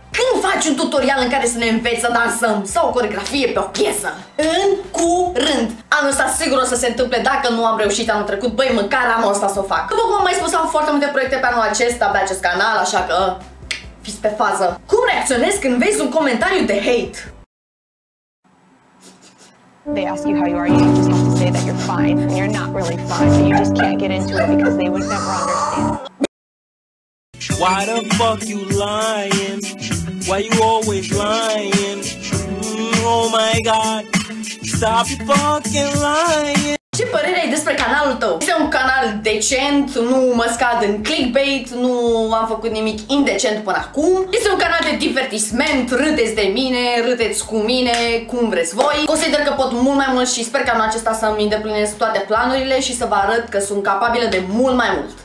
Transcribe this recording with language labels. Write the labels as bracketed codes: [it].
[ro] Când faci un tutorial în care să ne înveți să dansăm sau o coreografie pe o piesă? În curând! Anul ăsta sigur o să se întâmple dacă nu am reușit anul trecut, băi, măcar anul ăsta să o fac. După cum am mai spus, am foarte multe proiecte pe anul acesta, pe acest canal, așa că fiți pe fază. Cum reacționezi când vezi un comentariu de hate? [en] They ask you how you are, you just have to say that you're fine. And you're not really fine, but you just can't get into it because they would never understand. Why the fuck you lying? Why you always lying? Oh my god, stop fucking lying! [ro] Ce părere ai despre canalul tău? Este un canal decent, nu mă scad în clickbait, nu am făcut nimic indecent până acum. Este un canal de divertisment, râdeți de mine, râdeți cu mine, cum vreți voi. Consider că pot mult mai mult și sper ca anul acesta să-mi îndeplinesc toate planurile și să vă arăt că sunt capabilă de mult mai mult.